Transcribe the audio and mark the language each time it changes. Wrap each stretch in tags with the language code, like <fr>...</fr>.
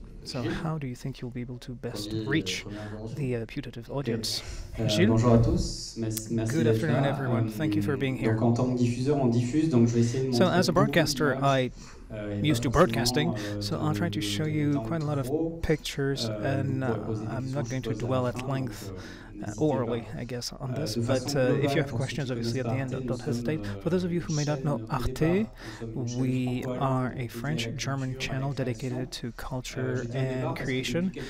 <en>So how do you think you'll be able to best reach the putative audience?</en> <fr>Gilles? Bonjour à tous. Merci</fr> <en>Good afternoon, everyone. Thank you for being here.</en> <fr>Donc, en tant que diffuseur, on diffuse, donc je vais essayer de</fr> <en>so as a broadcaster, I'm used to broadcasting, so I'll try to show you quite a lot of pictures, and I'm not going to dwell at length orally, I guess, on this, but if you have questions, obviously, at the end, don't hesitate. For those of you who may not know ARTE, we are a French-German channel dedicated to culture and creation.</en>